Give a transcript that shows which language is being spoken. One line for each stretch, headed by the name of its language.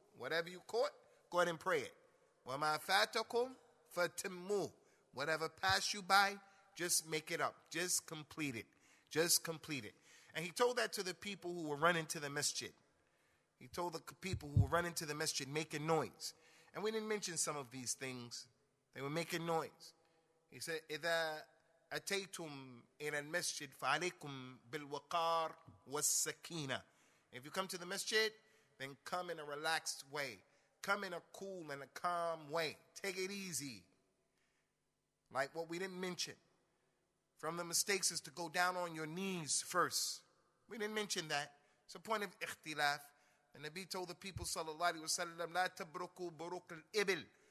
English: Whatever you caught, go ahead and pray it.
Arabic: Wa ma fatakum fatimmu.
English: Whatever passed you by, just make it up. Just complete it. Just complete it. And he told that to the people who were running to the masjid. He told the people who were running to the masjid, making noise. And we didn't mention some of these things. They were making noise. He said,
Arabic: إِذَا أَتَيْتُمْ إِلَى الْمَسْجِدِ فَعَلَيْكُمْ بِالْوَقَارِ وَالسَّكِينَةِ.
English: If you come to the masjid, then come in a relaxed way. Come in a cool and a calm way. Take it easy. Like what we didn't mention. From the mistakes is to go down on your knees first. We didn't mention that. It's a point of ikhtilaf. The Nabi told the people, sallallahu alayhi wa sallam,
Arabic: la tabruku buruk al-ibil.